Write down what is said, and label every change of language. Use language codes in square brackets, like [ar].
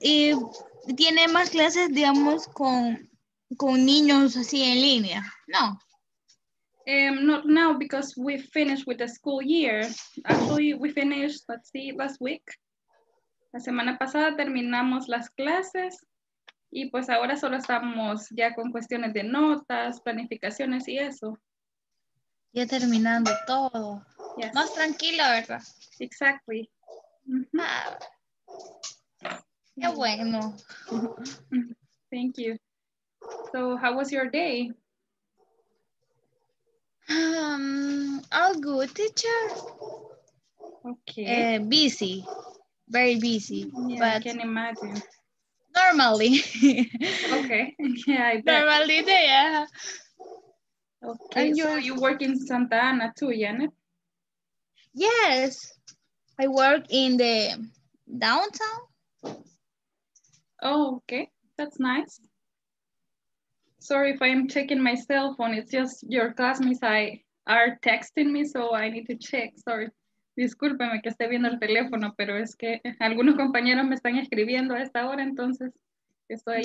[es] Y tiene más clases, digamos, con niños así en línea. [en] No. Not now because we finished with the school year. Actually, we finished, let's see, last week. [es] La semana pasada terminamos las clases y pues ahora solo estamos ya con cuestiones de notas, planificaciones y eso. Ya terminando todo. [en] Yes. [es] Más tranquilo, ¿verdad? [en] Exactly. [es] Mm-hmm. Qué bueno. [en] Thank you. So, how was your day? All good, teacher. Okay. Busy. Very busy, yeah, but I can imagine. Normally. Okay. Yeah, I bet. Normally, yeah. Okay. And you work in Santa Ana too, yeah? Yes. I work in the downtown. Oh, okay. That's nice. Sorry if I'm checking my cell phone. It's just your classmates are texting me, so I need to check. Sorry. [es] Discúlpeme que esté viendo el teléfono, pero es que algunos compañeros me están escribiendo a esta hora, entonces estoy